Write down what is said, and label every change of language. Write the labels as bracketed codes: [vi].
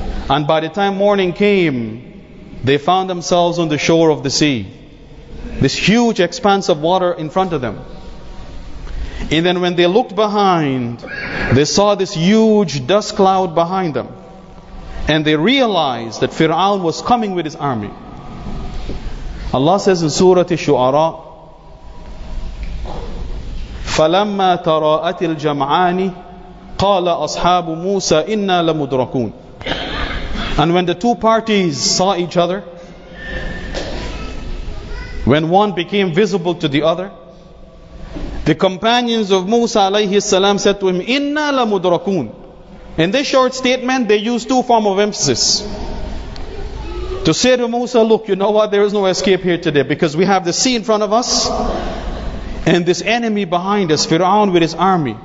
[en] And by the time morning came, they found themselves on the shore of the sea. This huge expanse of water in front of them. And then when they looked behind, they saw this huge dust cloud behind them. And they realized that Fir'aun was coming with his army. Allah says in Surah Ash-Shu'ara, [ar] فَلَمَّا تَرَاءَتِ الْجَمْعَانِ قَالَ أَصْحَابُ مُوسَى إِنَّا لَمُدْرَكُونَ. [en] And when the two parties saw each other, when one became visible to the other, the companions of Musa alayhi salam said to him, [ar] إِنَّا لَمُدْرَكُونَ. [en] In this short statement, they used two forms of emphasis. To say to Musa, look, you know what, there is no escape here today because we have the sea in front of us and this enemy behind us, Fir'aun with his army.